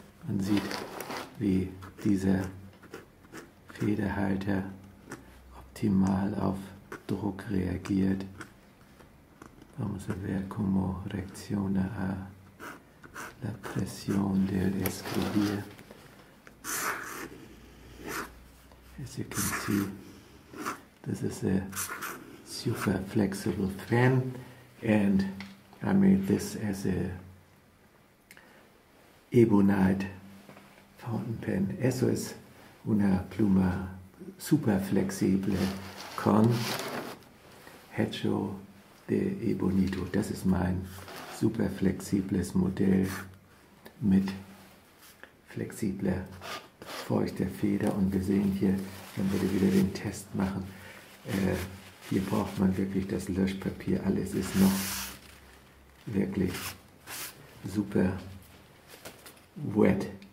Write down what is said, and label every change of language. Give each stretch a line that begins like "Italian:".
German: Man sieht, wie dieser Federhalter optimal auf Druck reagiert.
Spanish: Vamos a ver cómo reacciona a la presión del escribir.
English: As you can see, this is a super flexible pen, and I made this as a ebonite fountain pen.
Spanish: Eso es una pluma super flexible con hecho de ebonito.
German: Das ist mein super flexibles Modell mit flexibler feuchte Feder und wir sehen hier, wenn wir wieder den Test machen, hier braucht man wirklich das Löschpapier, alles ist noch wirklich super wet.